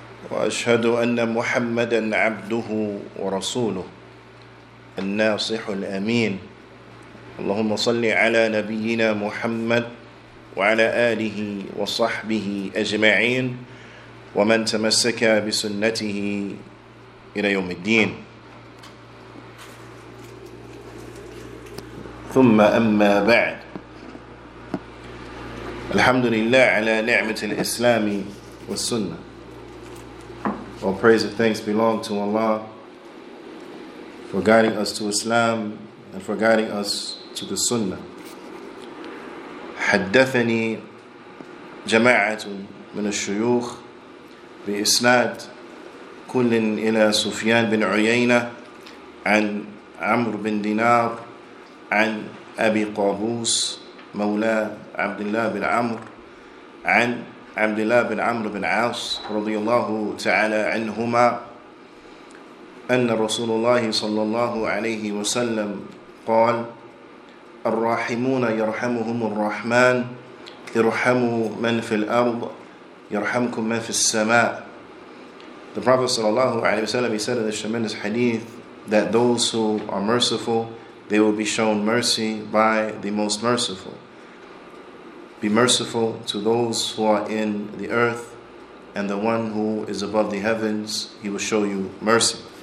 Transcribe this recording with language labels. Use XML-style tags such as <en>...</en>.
<ar>وأشهد أن محمدا عبده ورسوله الناصح الأمين اللهم صل على نبينا محمد وعلى آله وصحبه أجمعين وَمَنْ تَمَسَّكَ بِسُنَّتِهِ إِلَى يَوْمِ الدِّينِ ثُمَّ أَمَّا بَعْدِ الحمد لله على نعمة الإسلام والسنة.</ar> <en>All praise and thanks belong to Allah for guiding us to Islam and for guiding us to the Sunnah.</en> <ar>حَدَّثَنِي جَمَاعَةٌ مِنَ الشُّيُوخِ بإسناد كل إلى سفيان بن عيينة عن عمرو بن دينار عن أبي قابوس مولى عبد الله بن عمرو عن عبد الله بن عمرو بن عاص رضي الله تعالى عنهما أن رسول الله صلى الله عليه وسلم قال الراحمون يرحمهم الرحمن يرحموا من في الأرض يرحمكم من في السماء.</ar> <en>The Prophet sallallahu alaihi wasallam, he said in the tremendous hadith that those who are merciful, they will be shown mercy by the most merciful. Be merciful to those who are in the earth, and the one who is above the heavens, he will show you mercy.</en>